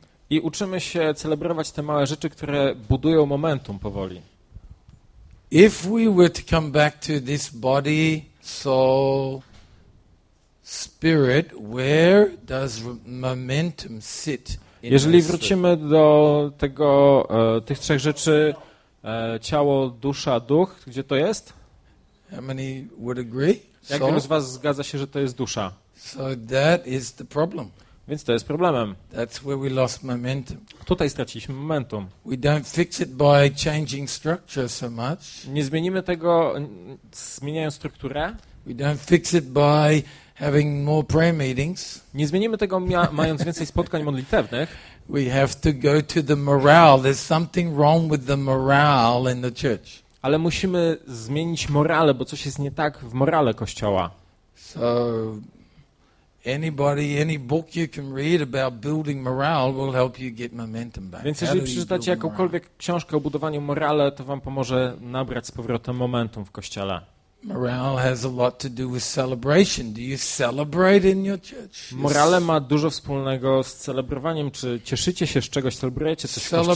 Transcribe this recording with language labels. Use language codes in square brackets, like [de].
[pl] I uczymy się celebrować te małe rzeczy, które budują momentum powoli. [en] If we were to come back to this body, soul, spirit, where does momentum sit? [pl] Jeżeli wrócimy do tego, tych trzech rzeczy. Ciało, dusza, duch, gdzie to jest? [en] How many would agree? [pl] Jak wielu z was zgadza się, że to jest dusza? [en] So that is the problem. [pl] Więc to jest problemem. [en] That's where we lost momentum. [pl] Tutaj straciliśmy momentum. [en] We don't fix it by changing structure so much. [pl] Nie zmienimy tego, zmieniając strukturę. [en] We don't fix it by having more prayer meetings. [pl] Nie zmienimy tego, mając więcej spotkań modlitewnych. [en] We have to go to the morale. There's something wrong with the morale in the church. [pl] Ale musimy zmienić morale, bo coś jest nie tak w morale kościoła. [en] So anybody, any book you can read about building morale will help you get momentum back. [pl] Więc jeżeli przeczytacie jakąkolwiek książkę o budowaniu morale, to wam pomoże nabrać z powrotem momentum w kościele. [en] Morale has a lot to do with celebration. Do you celebrate in your church? [pl] Morale ma dużo wspólnego z celebrowaniem. Czy cieszycie się z czegoś? Celebrujecie coś w kościele?